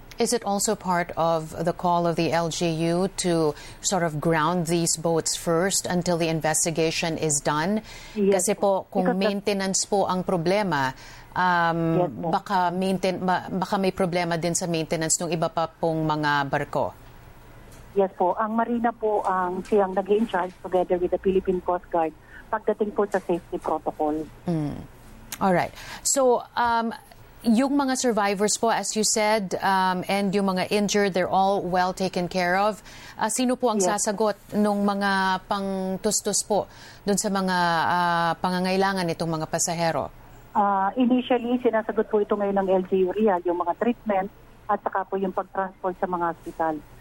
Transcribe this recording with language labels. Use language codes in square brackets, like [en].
[en] Is it also part of the call of the LGU to sort of ground these boats first until the investigation is done? Yes. [tl] Kasi po, kung because maintenance po ang problema, baka may problema din sa maintenance ng iba pa pong mga barko. Yes po. Ang marina po ang siyang nag-in-charge [en] together with the Philippine Coast Guard [tl] pagdating po sa safety protocol. [en] Mm. All right. So, yung mga survivors po, as you said, and yung mga injured, they're all well taken care of. [tl] Sino po ang sasagot nung mga pangtustos po dun sa mga pangangailangan itong mga pasahero? Initially, sinasagot po ito ngayon ng LGU Real, yung mga treatment at saka po yung pag-transport sa mga hospital.